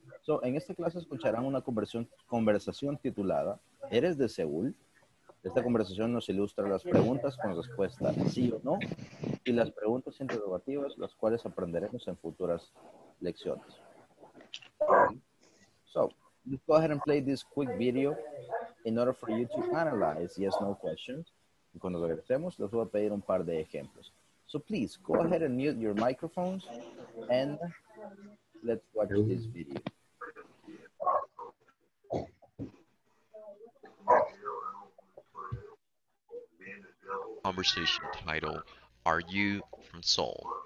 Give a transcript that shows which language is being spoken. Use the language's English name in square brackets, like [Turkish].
[Spanish] So, en esta clase escucharán una conversación titulada ¿Eres de Seúl? Esta conversación nos ilustra las preguntas con respuesta sí o no y las preguntas interrogativas, las cuales aprenderemos en futuras lecciones. [English] So, let's go ahead and play this quick video in order for you to analyze yes/no questions. [Spanish] Y cuando regresemos, les voy a pedir un par de ejemplos. [English] So please, go ahead and mute your microphones and let's watch this video. Conversation title, Are You From Seoul?